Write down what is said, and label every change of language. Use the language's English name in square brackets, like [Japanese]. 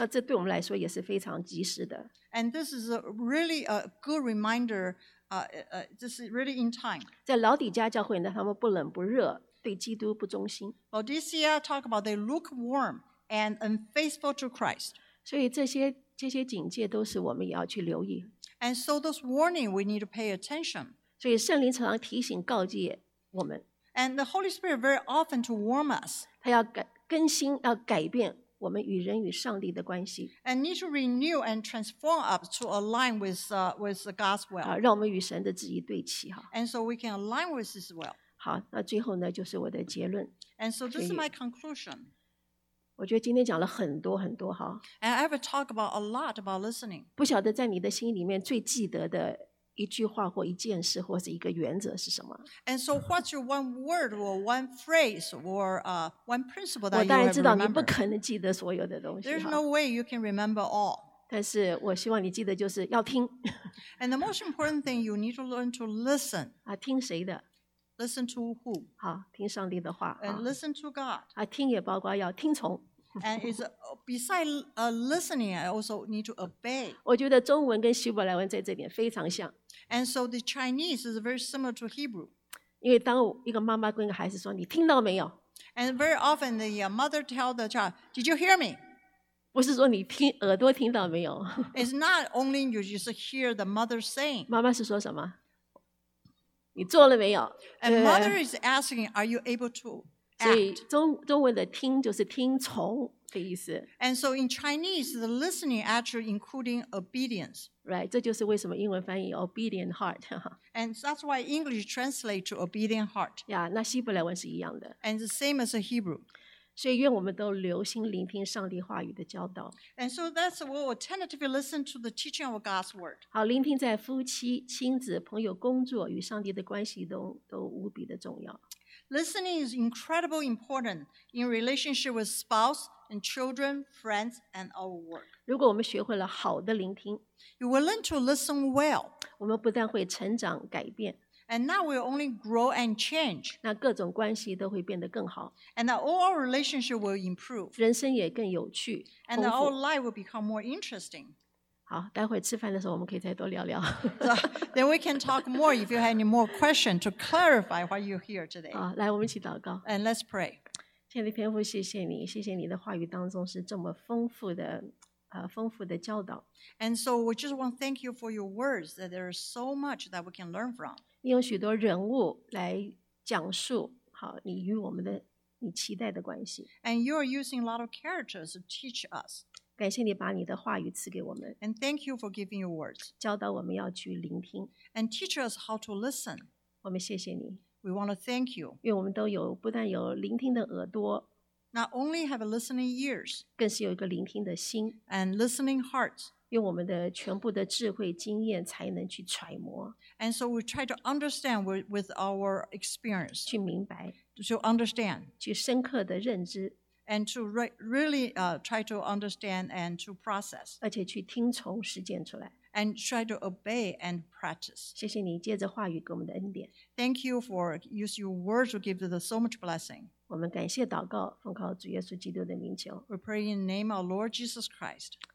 [Chinese] 那这对我们来说也是非常及时的。 [English] And this is a really a good reminder. This is really in time. [Chinese] 在老底嘉教会呢，他们不冷不热。对基督不忠心。 [English] Laodicea talk about they lukewarm and unfaithful to Christ. [Chinese] 所以这些警戒都是我们也要去留意。 [English] And so those warning we need to pay attention. [Chinese] 所以圣灵常常提醒告诫我们。 [English] And the Holy Spirit very often to warn us. [Chinese] 他要更新，要改变我们与人与上帝的关系。 [English] And need to renew and transform up to align with the God's will. [Chinese] 让我们与神的旨意对齐哈。 [English] And so we can align with His will. [Chinese] 好，那最后呢，就是我的结论。 [English] And so this is my conclusion. [Chinese] 我觉得今天讲了很多很多哈。 [English] And I have talked about a lot about listening. [Chinese] 不晓得在你的心里面最记得的一句话或一件事或是一个原则是什么。 [English] And so what's your one word or one phrase or one principle that you remember? [Chinese] 我当然知道你不可能记得所有的东西。 [English] There's no way you can remember all. [Chinese] 但是我希望你记得就是要听。 [English] And the most important thing you need to learn to listen. [Chinese] 啊，听谁的？ [English] Listen to who? [Chinese] 好，听上帝的话。 [English] And listen to God. [Chinese] 啊，听也包括要听从。 [English] And it's beside listening, I also need to obey. [Chinese] 我觉得中文跟希伯来文在这点非常像。 [English] And so the Chinese is very similar to Hebrew. [Chinese] 因为当一个妈妈跟一个孩子说，你听到没有？ [English] And very often the mother tell the child, "Did you hear me?" [Chinese] 不是说你听耳朵听到没有。 [English] It's not only you just hear the mother saying. [Chinese] 妈妈是说什么？你做了没有？ [English] And mother is asking, are you able to act? [Chinese] 所以中文的听就是听从的意思。 [English] And so in Chinese, the listening actually including obedience. Right, [Chinese] 这就是为什么英文翻译 [English] obedient heart. And that's why English translates to obedient heart. Yeah, [Chinese] 那希伯来文是一样的。 [English] And the same as a Hebrew. [Chinese] 所以愿我们都留心聆听上帝话语的教导。 [English] And so that's what we'll attentively listen to the teaching of God's word. [Chinese] 好，聆听在夫妻、亲子、朋友、工作与上帝的关系中都无比的重要。 [English] Listening is incredibly important in relationship with spouse and children, friends, and our work. [Chinese] 如果我们学会了好的聆听 [English] ，You will learn to listen well. [Chinese] 我们不但会成长改变。 [English] And now we only grow and change. [Chinese] 那各种关系都会变得更好。 [English] And all our relationship will improve. [Chinese] 人生也更有趣。 [English] And our life will become more interesting. [Chinese] 好，待会吃饭的时候我们可以再多聊聊。 [English] Then we can talk more if you have any more questions to clarify why you're here today. [Chinese] 好，来我们一起祷告。 [English] And let's pray. [Chinese] 天父，天父，谢谢你，谢谢你的话语当中是这么丰富的。丰富的教导。 [English] And so we just want to thank you for your words that there is so much that we can learn from. [Chinese] 你用许多人物来讲述好你与我们的你期待的关系。 [English] And you are using a lot of characters to teach us. [Chinese] 感谢你把你的话语赐给我们。 [English] And thank you for giving your words. [Chinese] 教导我们要去聆听。 [English] And teach us how to listen. [Chinese] 我们谢谢你。 [English] We want to thank you. [Chinese] 因为我们都有不但有聆听的耳朵。 [English] Not only have a listening ears, [Chinese] 更是有一个聆听的心 [English] and listening hearts, [Chinese] 用我们的全部的智慧、经验、才能去揣摩 [English] and so we try to understand with our experience, [Chinese] 去明白 [English] to understand, [Chinese] 去深刻的认知 [English] and to really try to understand and to process, [Chinese] 而且去听从实践出来 [English] and try to obey and practice. [Chinese] 谢谢你借着话语给我们的恩典 [English] Thank you for use your words to give us so much blessing. [Chinese] 我们感谢祷告，奉靠主耶稣基督的名求。 [English] We pray in the name of our Lord Jesus Christ.